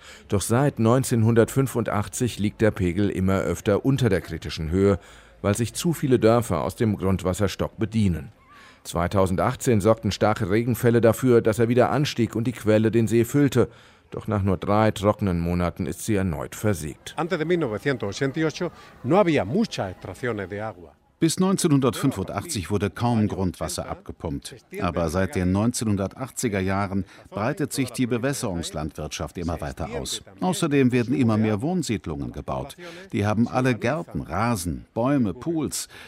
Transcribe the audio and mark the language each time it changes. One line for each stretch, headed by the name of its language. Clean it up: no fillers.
German: Doch seit 1985 liegt der Pegel immer öfter unter der kritischen Höhe, weil sich zu viele Dörfer aus dem Grundwasserstock bedienen. 2018 sorgten starke Regenfälle dafür, dass er wieder anstieg und die Quelle den See füllte. Doch nach nur drei trockenen Monaten ist sie erneut versiegt.
Spanish: Antes de 1988 no había muchas extracciones de agua.
German: Bis 1985 wurde kaum Grundwasser abgepumpt. Aber seit den 1980er Jahren breitet sich die Bewässerungslandwirtschaft immer weiter aus. Außerdem werden immer mehr Wohnsiedlungen gebaut. Die haben alle Gärten, Rasen, Bäume, Pools.